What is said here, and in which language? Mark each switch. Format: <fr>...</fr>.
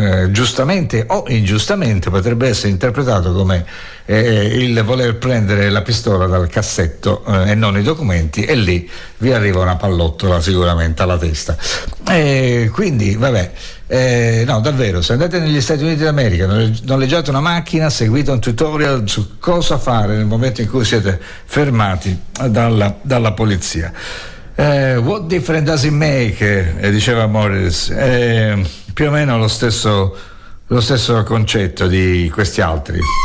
<it>giustamente o ingiustamente, potrebbe essere interpretato come il voler prendere la pistola dal cassetto e non i documenti, e lì vi arriva una pallottola sicuramente alla testa. Quindi vabbè, no, davvero, se andate negli Stati Uniti d'America, noleggiate una macchina, seguite un tutorial su cosa fare nel momento in cui siete fermati dalla polizia.</it> <en>What difference does it make?</en> <it>Diceva Morris, più o meno lo stesso concetto di questi altri.</it>